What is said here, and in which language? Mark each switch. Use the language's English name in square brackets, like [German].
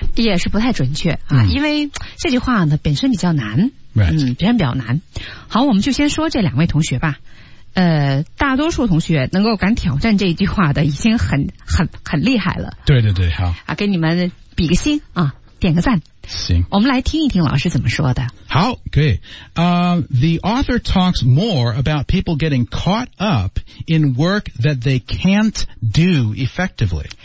[Chinese] 也是不太准确、啊 mm. 因为这句话呢本身比较难、 [English] right. [Chinese] 嗯、本身比较难。好，我们就先说这两位同学吧。大多数同学能够敢挑战这句话的已经很厉害了。对对对，好。啊、给你们比个心啊，点个赞。行，我们来听一听老师怎么说的。好，可以。 [English] The author talks more about people getting caught up in work that they can't do effectively.